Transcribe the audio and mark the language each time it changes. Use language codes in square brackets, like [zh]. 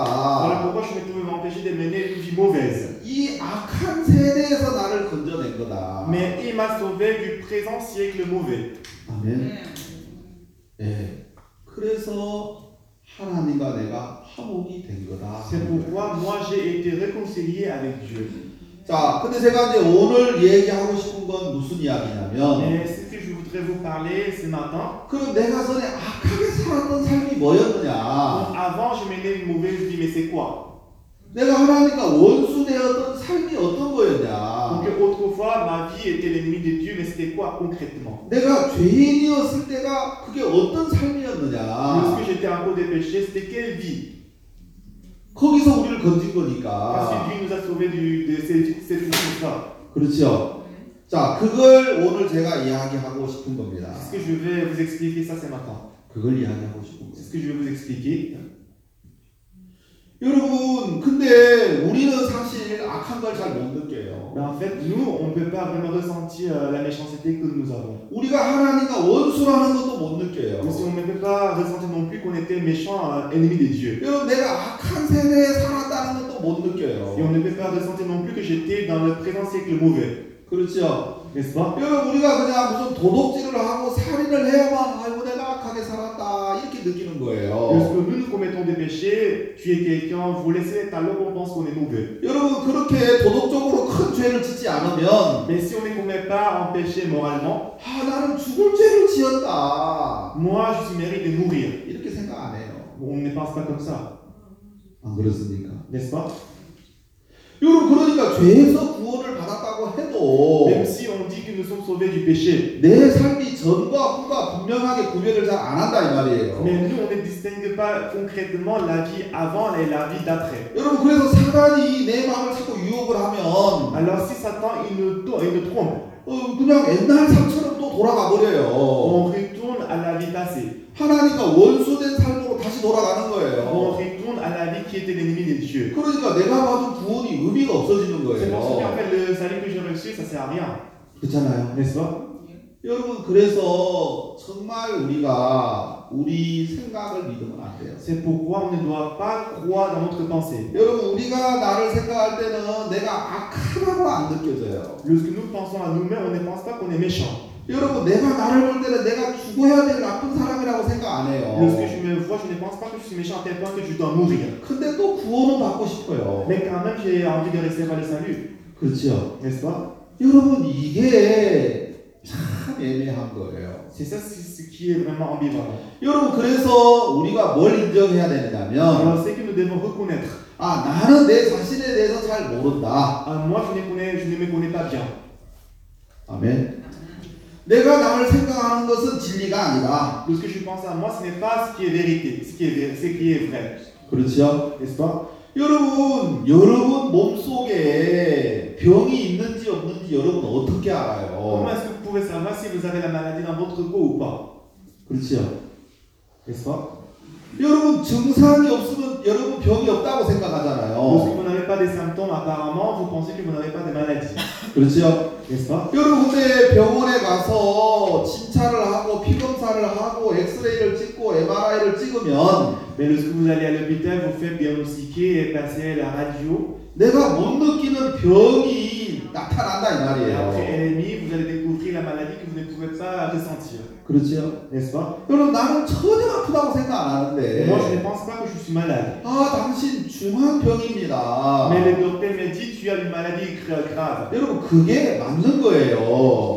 [fr] Voilà pourquoi je me trouvais m'empêcher de mener une vie mauvaise. [ko] 이 악한 세대에서 나를 건져낸 거다. [fr] Mais il m'a sauvé du présent siècle mauvais. [ko] 아멘. 예, 네. 그래서 하나님과 내가 화목이 된 거다. [fr] C'est pourquoi moi j'ai été réconcilié avec Dieu. [ko] 자, 근데 제가 이제 오늘 얘기하고 싶은 건 무슨 이야기냐면, [fr] 네, ce que je voudrais vous parler ce matin. [ko] 그럼 내가 전에 악하게 살았던 삶이 뭐였느냐? [fr] Avant je menais une mauvaise vie, mais c'est quoi? [ko] 내가 하나님과 원수 되었던 삶이 어떤 거였냐? [fr] Donc autrefois ma vie était l'ennemi de Dieu, mais c'était quoi concrètement? [ko] 내가 죄인이었을 때가 그게 어떤 삶이었느냐? [fr] Lorsque j'étais un peu dépêché, c'était quelle vie? [ko] 거기서 우리를 건진 거니까. [fr] Parce que Dieu nous a sauvés de cette situation. [ko] 그렇죠. 자, 그걸 오늘 제가 이야기하고 싶은 겁니다. [fr] Est-ce que je vais vous expliquer ça ce matin? [ko] 그걸 이야기하고 싶은 겁니다. [fr] Est-ce que je vais vous expliquer? [ko] 여러분, 근데 우리는 사실 악한 걸 잘 못 느껴요. [fr] Mais en fait, nous, on ne peut pas vraiment ressentir la méchanceté que nous avons. [ko] 우리가 하나님과 원수라는 것도 못 느껴요. [fr] Mais si on ne peut pas ressentir non plus qu'on était méchant, ennemi de Dieu. [ko] 여러분, 내가 악한 세대에 살았다는 것도 못 느껴요. [fr] Et on ne peut pas ressentir non plus que j'étais dans le présent siècle mauvais. [ko] 그렇죠. 됐어? 여러분, 우리가 그냥 무슨 도둑질을 하고 살인을 해야만, 아이고, 내가 악하게 살았다. 이렇게 느끼는 거예요. [fr] Lorsque nous nous commettons des péchés, tuer quelqu'un, vous laissez les talons, on pense qu'on est mauvais. [ko] 여러분, 그렇게 도덕적으로 큰 죄를 짓지 않으면, [fr] mais si on ne commet pas un péché moralement, [ko] 아, 나는 죽을 죄를 지었다. [fr] Moi, je suis mérite de mourir. [ko] 이렇게 생각 안 해요. [fr] On ne pense pas comme ça. [ko] 안 그렇습니까? 됐어? 여러분, 그러니까 죄에서 구원을 받았다고 해도 [fr] même si on dit que nous sommes sauvés du péché [ko] 내 삶이 전과 후가 분명하게 구별을 잘 안 한다 이 말이에요. [fr] Mais nous, on ne distingue pas concrètement la vie avant et la vie d'après. [ko] 여러분, 그래서 사단이 내 마음을 자꾸 유혹을 하면 [fr] alors si Satan il nous trompe [ko] 그냥 옛날 삶처럼 또 돌아가 버려요. [fr] On retourne à la vie passée. [ko] 하나님과 원수된 삶으로 다시 돌아가는 거예요. [fr] On retourne à la vie qui était l'ennemi de Dieu. [ko] 그러니까 내가 받은 구원이 의미가 없어지는 거예요. [fr] C'est pour ça qu'en fait, le salut que j'ai reçu, ça sert à rien. [ko] 그렇잖아요. 됐어? 여러분, 그래서 정말 우리가 우리 생각을 믿으면 안 돼요. [fr] C'est pourquoi on ne doit pas croire dans notre pensée. [ko] 여러분, 우리가 나를 생각할 때는 내가 악하다고 안 느껴져요. [fr] Lorsque nous pensons à nous-mêmes, on ne pense pas qu'on est méchant. [ko] 여러분, 내가 나를 볼 때는 내가 죽어야 될 나쁜 사람이라고 생각 안 해요. [fr] Lorsque je me vois, je ne pense pas que je suis méchant à tel point que je dois mourir. [ko] 근데 또 구원을 받고 싶어요. [fr] Mais quand même, j'ai envie de recevoir le salut. [ko] 그렇죠. [fr] N'est-ce pas? [ko] 여러분, 이게 참 애매한 거예요. [fr] C'est ça ce qui est vraiment ambivalent. [ko] 여러분, 그래서 우리가 뭘 인정해야 되냐면, [fr] Alors, c'est que nous devons reconnaître. [ko] 아, 나는 내 자신에 대해서 잘 모른다. [fr] Moi, je ne me connais pas bien. [ko] 아멘. 내가 나를 생각하는 것은 진리가 아니다. [fr] Lorsque je pense à moi, ce n'est pas ce qui est vérité, ce qui est vrai. [ko] 그렇지요? 에스파? 여러분! 여러분 몸속에 병이 있는지 없는지 여러분 어떻게 알아요? [fr] Como est-ce que vous pouvez savoir si vous avez la maladie dans votre corps ou pas? [ko] 그렇지요? 에스파? 여러분 증상이 없으면 여러분 병이 없다고 생각하잖아요. [fr] Si vous n'avez pas des symptômes, apparemment, vous pensez que vous n'avez pas de maladie. [ko] 그렇지요? 에스파? 여러분 근데 병원에 가서 진찰을 하고 피검사를 하고 엑스레이를 찍고 MRI를 찍으면 [fr] Mais lorsque vous allez à l'hôpital, vous faites diagnostiquer et passer la radio. [ko] 내가 못 느끼는 병이 나타난다 이 말이에요. [fr] Ennemi, vous allez découvrir la maladie que vous ne pouvez pas ressentir. [ko] 그렇지요, [fr] n'est-ce pas? [ko] 여러분 나는 전혀 아프다고 생각 안 하는데. [fr] Moi, je ne pense pas que je suis malade. [ko] 아, 당신 중환병입니다. [fr] Mais le docteur me dit tu as une maladie grave. [ko] 여러분 그게 맞는 거예요.